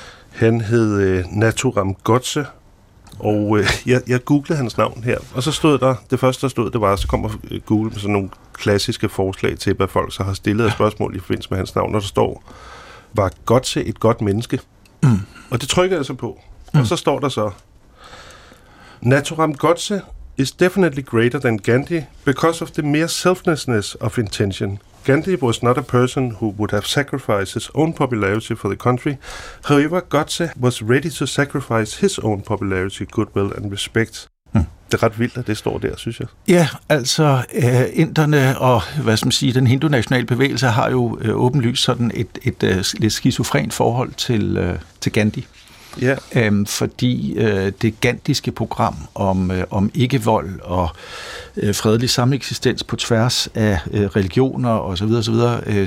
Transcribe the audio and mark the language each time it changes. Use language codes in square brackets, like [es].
[da] Han hed Nathuram Godse, og jeg googlede hans navn her, og så stod der, det første der stod, det var, så kommer Google med sådan nogle klassiske forslag til, hvad folk så har stillet af spørgsmål i forbindelse med hans navn, og der står, var Godse et godt menneske? Og det trykker jeg så på. Og så står der så, Nathuram Godse [en] is definitely greater than Gandhi because of the mere selflessness of intention. Gandhi was not a person who would have sacrificed his own popularity for the country. However, Godse was ready to sacrifice his own popularity, goodwill and respect. [da] Det er ret vildt, at det står der, synes jeg. Ja, altså inderne og hvad skal man sige, den hindu-nationale bevægelse har jo åbenlyst sådan et lidt skizofrent forhold til Gandhi. Ja. Fordi det gandhiske program om ikke-vold og fredelig sameksistens på tværs af religioner osv. osv.